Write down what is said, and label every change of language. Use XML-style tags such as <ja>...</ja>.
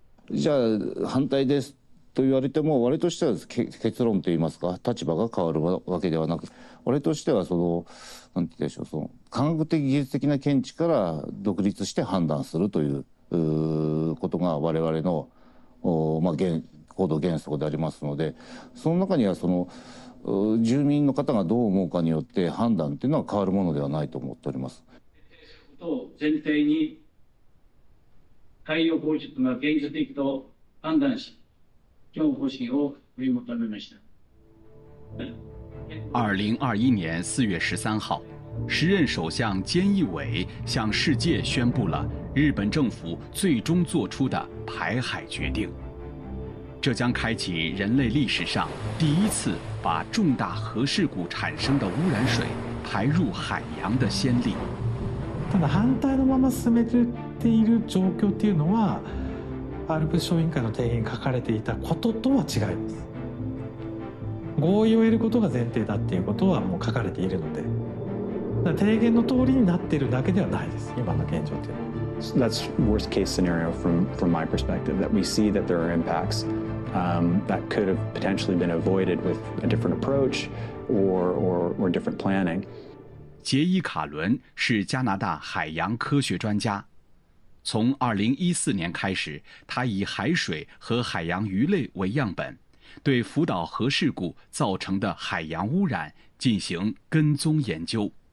<ja>じゃあ反対ですと言われても、我としては結論といいますか立場が変わるわけではなく、我としてはそのなんて言うでしょう、その科学的技術的な見地から独立して判断するということが我々の、まあ、行動原則でありますので、その中にはその住民の方がどう思うかによって判断というのは変わるものではないと思っております。と前提に海洋放出が現実的と判断し、今日方針を取り求めました。</ja> <zh>2021年4月13号、时任首相菅义伟向世界宣布了日本政府最终做出的排海决定，这将开启人类历史上第一次把重大核事故产生的污染水排入海洋的先例。</zh> <ja>ただ反対のまま進めている状況っていうのは、アルプス小委員会の提言に書かれていたこととは違います。合意を得ることが前提だっていうことはもう書かれているので、提言の通りになっているだけではないです。今の現状っていうのは。</ja> <en>So、that's worst case scenario from my perspective, that we see that there are impacts、that could have potentially been avoided with a different approach or different planning.</en> <zh>杰伊·卡伦是加拿大海洋科学专家，从2014年开始，他以海水和海洋鱼类为样本，对福岛核事故造成的海洋污染进行跟踪研究。</zh>